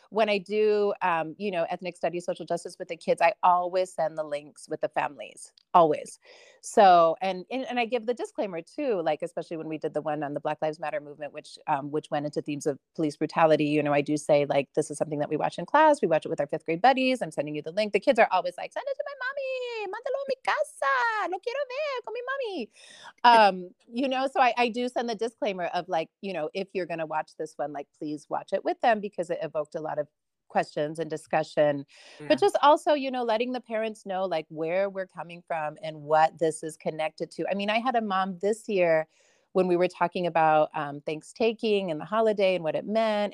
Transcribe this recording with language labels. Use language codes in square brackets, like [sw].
[en] When I do, you know, ethnic studies, social justice with the kids, I always send the links with the families, always. So, and I give the disclaimer too, like, especially when we did the one on the Black Lives Matter movement, which went into themes of police brutality, you know, I do say like, this is something that we watch in class. We watch it with our fifth grade buddies. I'm sending you the link. The kids are always like, send it to my mommy. [es] mándalo a mi casa. Lo quiero ver con mi mami. [en] You know, so I do send the disclaimer of like, you know, if you're going to watch this one, like, please watch it with them because it evoked a lot of questions and discussion. Yeah. But just also, you know, letting the parents know like where we're coming from and what this is connected to. I mean, I had a mom this year when we were talking about Thanksgiving and the holiday and what it meant.